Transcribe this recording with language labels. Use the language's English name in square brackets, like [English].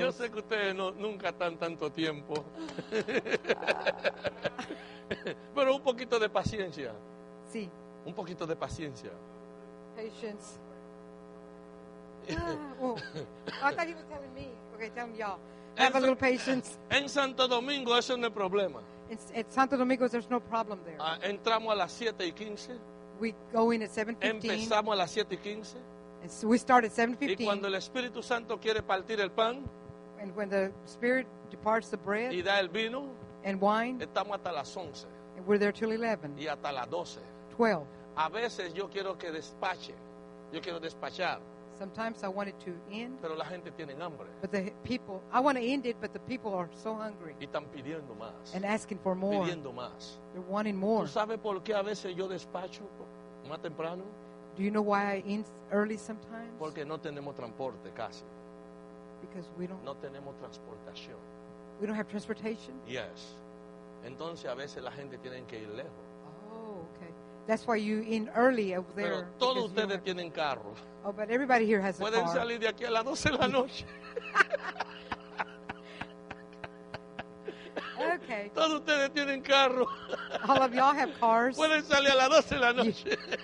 [Spanish] Yo sé que ustedes no, nunca están tanto tiempo. Pero un poquito de paciencia. Sí. Un poquito de paciencia. [English] Patience. Oh. I thought he was telling me. Okay, tell me y'all. Have a little patience. [Spanish] En Santo Domingo, eso no es problema. [English] At Santo Domingo, there's no problem there. [Spanish] Entramos a las 7:15. [English] We go in at 7:15. [Spanish] Empezamos a las 7:15. [English] And so we start at 7:15. [Spanish] Y cuando el Espíritu Santo quiere partir el pan. [English] And when the Spirit departs the bread. [Spanish] Y da el vino. [English] And wine. [Spanish] Estamos hasta las 11. [English] And we're there till 11. [Spanish] Y hasta las 12. [English] 12. [Spanish] A veces yo quiero que despache. Yo quiero despachar. [English] Sometimes I want it to end. [Spanish] Pero la gente tiene hambre. [English] But the people, I want to end it, but the people are so hungry. [Spanish] Y están pidiendo más. [English] And asking for more. [Spanish] Pidiendo más. [English] They're wanting more. [Spanish] ¿Tú sabes por qué a veces yo despacho más temprano? [English] Do you know why I end early sometimes? [Spanish] Porque no tenemos transporte casi. [English] Because we don't. [Spanish] No tenemos transportación. [English] We don't have transportation? Yes. [Spanish] Entonces a veces la gente tiene que ir lejos. [English] That's why you in early over there. [Spanish] Pero todos ustedes [English] have, [Spanish] tienen carro. [English] Oh, but everybody here has a [Spanish] pueden [English] car. [Spanish] Pueden salir de aquí a las 12 de la noche. [English] Okay. [Spanish] Todos ustedes tienen carro. [English] All of y'all have cars. [Spanish] Pueden salir a las 12 de la noche.